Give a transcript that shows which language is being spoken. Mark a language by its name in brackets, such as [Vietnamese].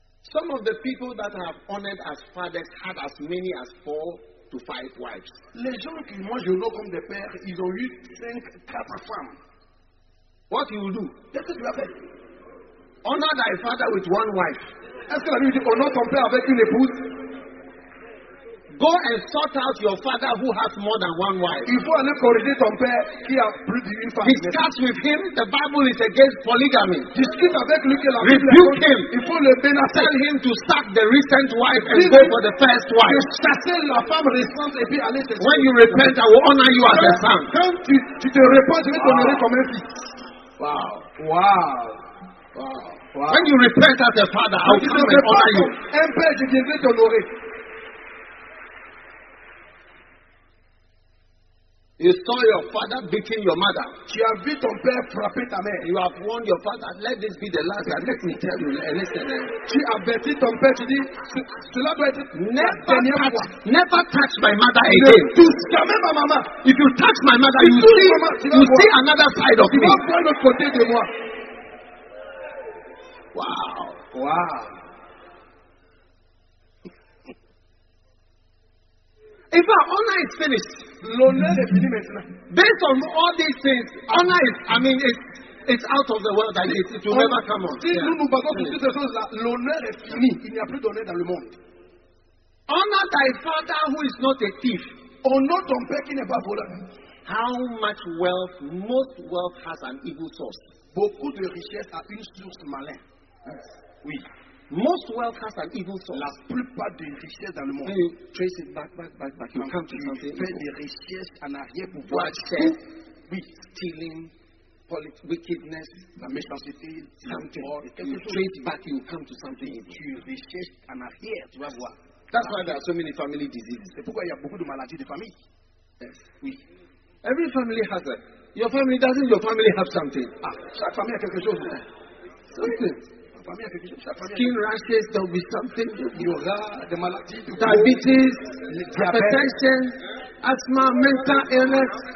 [English] Some of the people that I have honored as fathers had as many as 4 to 5 wives. [French] Les gens que moi je vois comme des pères, ils ont eu 5-4 femmes. [English] What you will do? [French] Qu'est-ce que tu vas faire? [English] Honor thy father with one wife. [French] Est-ce que la Bible dit honore ton père avec une épouse? [English] Go and sort out your father who has more than one wife. [French] Il faut aller corriger ton père qui a plus d'une femme. [English] Discuss with him. The Bible is against polygamy. [French] Discute avec lui que la [English] rebuke him. [French] Il faut le menacer. [English] Tell him to sack the recent wife and go for the first wife. [French] Chasser la femme récente et puis aller chercher. [English] When you repent, I will honor you as a son. [French] Quand tu te repens, je vais t'honorer comme un fils. [English] Wow. Wow. Wow. When you repent as a father, I will come and honor you. [French] Un père, je viendrai t'honorer. [English] You saw your father beating your mother. [French] Tu as vu ton père frapper ta mère. [English] You have warned your father, let this be the last time. Let me tell you, listen. [French] Tu as averti ton père, tu dis, cela doit être [English] Never touch my mother again. [French] Tu touches jamais ma maman. [English] If you touch my mother, you see another side of me. [French] Tu vas voir l'autre côté de moi. [English] Wow. Wow. If our honor is finished, [French] l'honneur est fini maintenant. [English] Based on all these things, honor is out of the world. Like it will never come on. [French] Si nous nous battons pour toutes ces choses-là, l'honneur est fini. Il n'y a plus d'honneur dans le monde. [English] Honor thy father who is not a thief. [French] Honore ton père qui n'est pas voleur. [English] How much wealth, most wealth has an evil source. [French] Beaucoup de richesses a une source malin. [English] Oui. Most wealth has an evil source. [French] La plupart des richesses dans le monde. [English] You trace it back. You come to something. [French] Fait des richesses en arrière pour voir. Oui. [English] Stealing, wickedness, [French] la méchanceté, [English] something. You trace back, you come to something. [French] Tu recherches en arrière, tu vas voir. [English] That's why there are so many family diseases. [French] C'est pourquoi il y a beaucoup de maladies de famille. [English] Yes. Oui. Every family has a. Your family doesn't. Your family have something. [French] Ah, chaque famille a quelque chose. [English] Something. Skin rashes, there will be something. The diabetes, hypertension, asthma, mental illness.